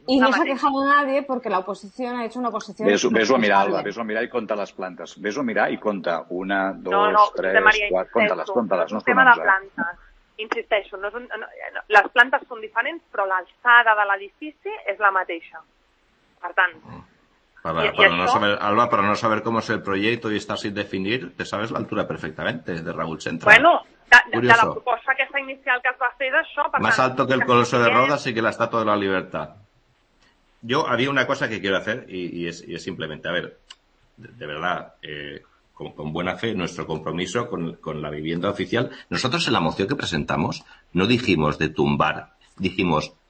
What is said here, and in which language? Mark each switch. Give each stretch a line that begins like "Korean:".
Catalan: I no s'ha quejat
Spanish: nadie
Catalan: perquè l'oposició
Spanish: ha hecho una
Catalan: oposició... Ves-ho a mirar i compta les plantes. Ves-ho a mirar i compta. Una, dos, tres, quatre... Compta-les. No és tema de plantes. Insisteixo. Les plantes són diferents, però l'alçada de l'edifici és la mateixa. Per tant...
Spanish: Alba, para no saber cómo es el proyecto y estar sin definir, te sabes la altura perfectamente de Regull Centre.
Catalan: Bueno, de la proposta aquesta inicial que es va fer d'això...
Spanish: Más alto que el Coloso de Rodas y que la Estatua de la Libertad. Yo había una cosa que quiero hacer y es simplemente, a ver, de verdad, con buena fe, nuestro compromiso con la vivienda oficial. Nosotros en la moción que presentamos no dijimos de tumbar, dijimos...